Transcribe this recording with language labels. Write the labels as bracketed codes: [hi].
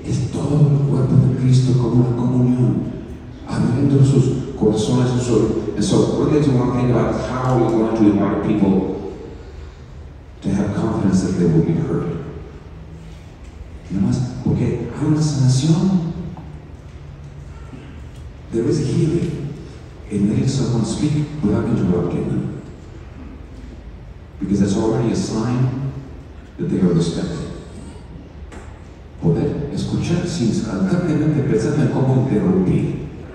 [es] Es todo el cuerpo de Cristo como una comunión, abriendo sus corazones y sus oídos. [en] And so we're going to want to think about how we're going to invite people to have confidence that they will be heard. [es] Nada más, porque hay una sanación [en] There is a healing in letting someone speak without interrupting them. Because that's already a sign that they are respected. [es] Poder escuchar sin constantemente pensar en cómo interrumpir.